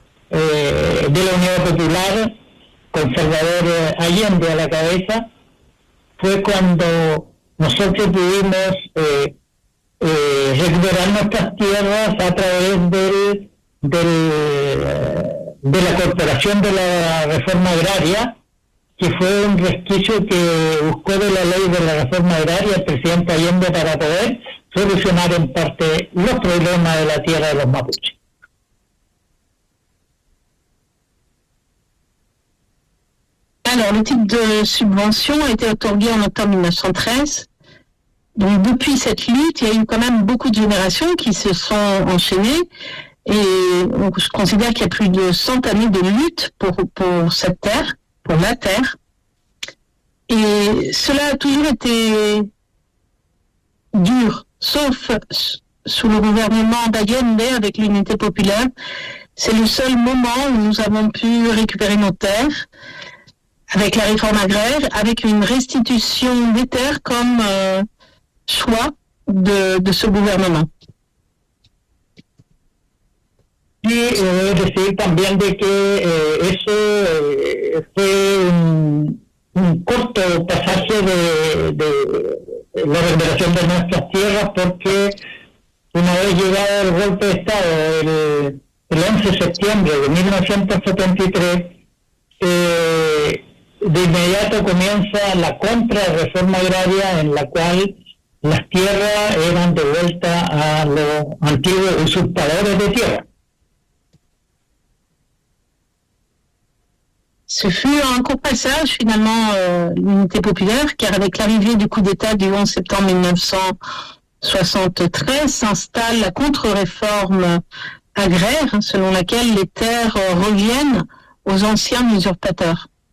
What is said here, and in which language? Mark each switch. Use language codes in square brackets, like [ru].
[es] de la Unidad Popular, con Salvador Allende a la cabeza, fue cuando nosotros pudimos recuperar nuestras tierras a través de la Corporación de la Reforma Agraria, que fue un resquicio que buscó de la ley de la reforma agraria el presidente Allende para poder solucionar en parte los problemas de la tierra de los mapuches. [fr] Alors, le titre de subvention a été octroyé en octobre 1913. Donc, depuis cette lutte, il y a eu quand même beaucoup de générations qui se sont enchaînées. Et donc, je considère qu'il y a plus de 100 années de lutte pour cette terre, pour la terre. Et cela a toujours été dur, sauf sous le gouvernement d'Allende avec l'Unité Populaire. C'est le seul moment où nous avons pu récupérer nos terres. Avec la réforme agraire, avec une restitution des terres comme choix de ce gouvernement. [es] Y decir también de que eso fue un corto pasaje de la recuperación de nuestras tierras, porque una vez llegado el golpe de Estado, el 11 de septiembre de 1973, de inmediato comienza la contrarreforma agraria, en la cual las tierras eran devueltas a los antiguos usurpadores de tierra. [fr] Ce fut un court passage, finalement, l'Unité Populaire, car avec l'arrivée du coup d'État du 11 septembre 1973, s'installe la contre-réforme agraire, selon laquelle les terres reviennent aux anciens usurpateurs.